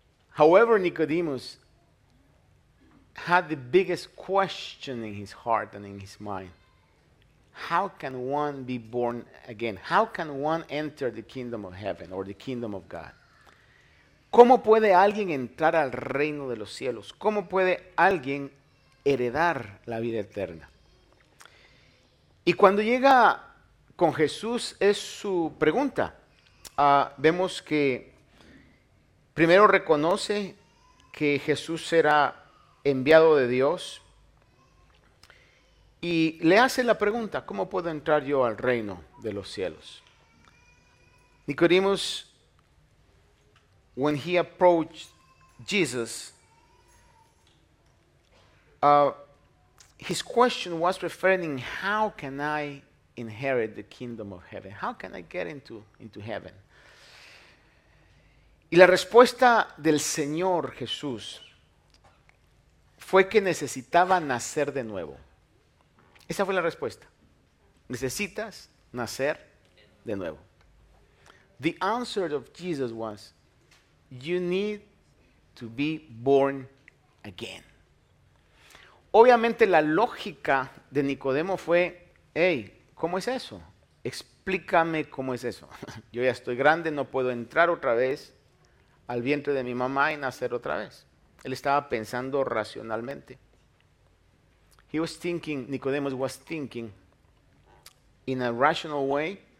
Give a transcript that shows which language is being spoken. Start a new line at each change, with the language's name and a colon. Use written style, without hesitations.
English: However, Nicodemus had the biggest question in his heart and in his mind. How can one be born again? How can one enter the kingdom of heaven or the kingdom of God?
Spanish: ¿Cómo puede alguien entrar al reino de los cielos? ¿Cómo puede alguien heredar la vida eterna? Y cuando llega con Jesús, es su pregunta. Vemos que primero reconoce que Jesús será enviado de Dios y le hace la pregunta: ¿cómo puedo entrar yo al reino de los cielos?
English: Nicodemus, when he approached Jesus, his question was referring, how can I inherit the kingdom of heaven? How can I get into heaven?
Spanish: Y la respuesta del Señor Jesús fue que necesitaba nacer de nuevo. Esa fue la respuesta. Necesitas nacer de nuevo.
English: The answer of Jesus was, you need to be born again.
Spanish: Obviamente la lógica de Nicodemo fue, hey, ¿cómo es eso? Explícame cómo es eso. Yo ya estoy grande, no puedo entrar otra vez al vientre de mi mamá y nacer otra vez. Él estaba pensando racionalmente.
English: Nicodemus was thinking in a rational way.